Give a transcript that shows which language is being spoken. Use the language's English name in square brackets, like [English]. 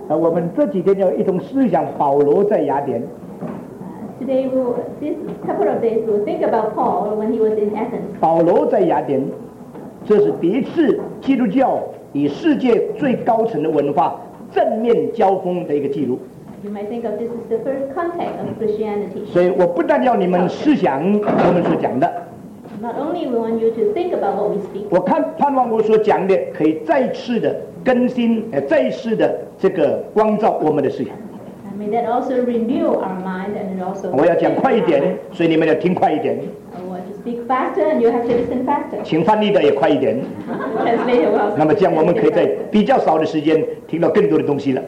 [Chinese] 有哪一个人你带圣经来的，请举手。把圣经拿起来，有物为证。借来的不必拿起来。OK，请把圣经放下来。那我们这几天要一同思想保罗在雅典。 [English] Today, this couple of days, we'll think about Paul when he was in Athens. [Chinese] 保罗在雅典，这是第一次基督教以世界最高层的文化正面交锋的一个记录。 [English] You might think of this as the first contact of Christianity. [Chinese] 所以我不但要你们思想我们所讲的。 [English] Not only we want you to think about what we speak. [Chinese] 我盼望我所讲的可以再次的更新，再次的这个光照我们的思想。 [English] May that also renew our mind and it also. [Chinese] 我要讲快一点，所以你们要听快一点。 [English] Speak faster and you have to listen faster. [Chinese] 请翻译的也快一点。 [English] Translate it well. [Chinese] 那么这样我们可以在比较少的时间听到更多的东西了。